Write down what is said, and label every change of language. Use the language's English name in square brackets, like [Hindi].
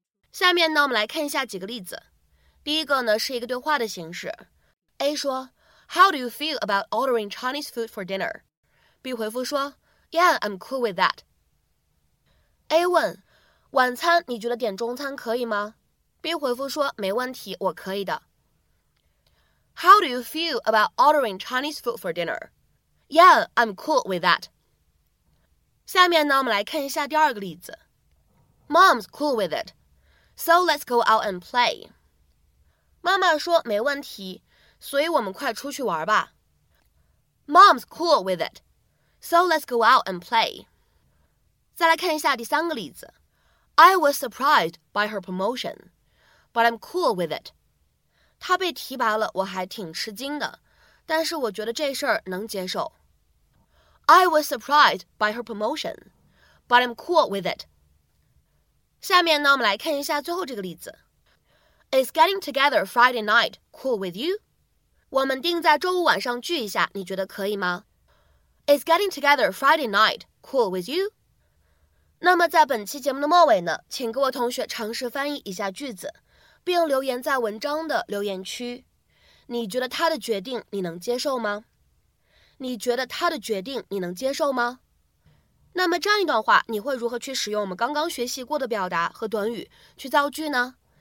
[Chinese] 下面呢我们来看一下几个例子。第一个呢是一个对话的形式。 [English] A [Chinese] 说 [English] How do you feel about ordering Chinese food for dinner? B [Chinese] 回复说 [English] Yeah, I'm cool with that. [Chinese] A 问晚餐你觉得点中餐可以吗？ B 回复说没问题，我可以的。 [English] How do you feel about ordering Chinese food for dinner? Yeah, I'm cool with that. [Chinese] 下面呢，我们来看一下第二个例子。 [English] Mom's cool with it, so let's go out and play. [Chinese] 妈妈说没问题，所以我们快出去玩吧。 [English] Mom's cool with it, so let's go out and play. [Chinese] 再来看一下第三个例子。 [English] I was surprised by her promotion, but I'm cool with it. [Chinese] 她被提拔了，我还挺吃惊的，但是我觉得这事儿能接受。 [English] I was surprised by her promotion, but I'm cool with it. [Chinese] 下面呢，我们来看一下最后这个例子。 [English] Is getting together Friday night cool with you? [Chinese] 我们定在周五晚上聚一下，你觉得可以吗？ [English] Is getting together Friday night cool with you? [Chinese] 那么在本期节目的末尾呢，请各位同学尝试翻译一下句子，并留言在文章的留言区。你觉得他的决定你能接受吗？你觉得他的决定你能接受吗？那么这样一段话你会如何去使用我们刚刚学习过的表达和短语去造句呢？